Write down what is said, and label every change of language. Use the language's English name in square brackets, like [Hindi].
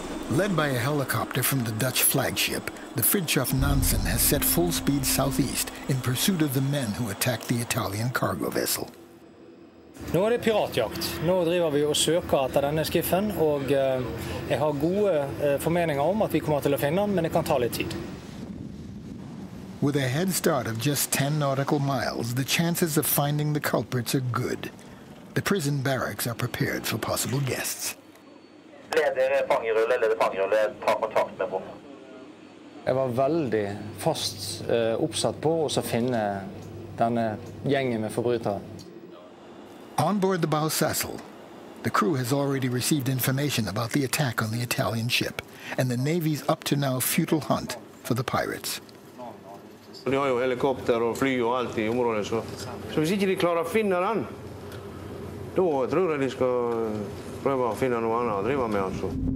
[English] Led by a helicopter from the Dutch flagship, the Fridtjof Nansen has set full speed southeast in pursuit of the men who attacked the Italian cargo vessel. [Norwegian] Nå det piratjakt. Nå driver vi og søker etter denne skiffen, og jeg har gode formeninger om at vi kommer til å finne den, men det kan ta litt tid. [English] With a head start of just 10 nautical miles, the chances of finding the culprits are good. The prison barracks are prepared for possible guests. [Norwegian] Jeg var veldig fast oppsatt på å finne denne gjengen med forbrytere. [English] On board the bow Cecil, the crew has already received information about the attack on the Italian ship and the Navy's up to now futile hunt for the pirates. [Norwegian] De har jo helikopter og fly og alt i området, så hvis ikke de klarer å finne den, da tror jeg de skal prøve å finne noe annet å drive med, altså.